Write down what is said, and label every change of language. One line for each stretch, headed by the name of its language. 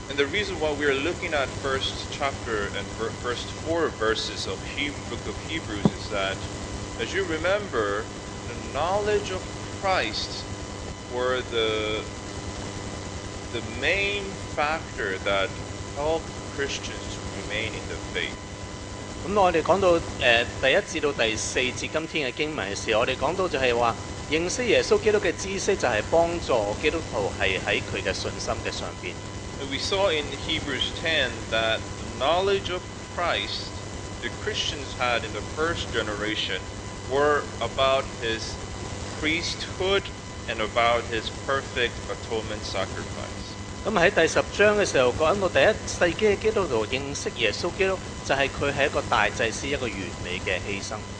English: And the reason why we are looking at first chapter and first four verses of book of Hebrews is that, as you remember, the knowledge of Christ were the main factor that helped Christians remain in the faith.
Cantonese: 咁我哋講到第一節到第四節今天嘅經文嘅時候，我哋講到就係話認識耶穌基督嘅知識就係幫助基督徒係喺佢嘅信心嘅上邊。
English: We saw in Hebrews 10 that the knowledge of Christ the Christians had in the first generation were about his priesthood and about his perfect atonement sacrifice.
Cantonese: 咁喺第十章嘅時候講到第一世紀嘅基督徒認識耶穌基督，就係佢係一個大祭司，一個完美嘅犧牲。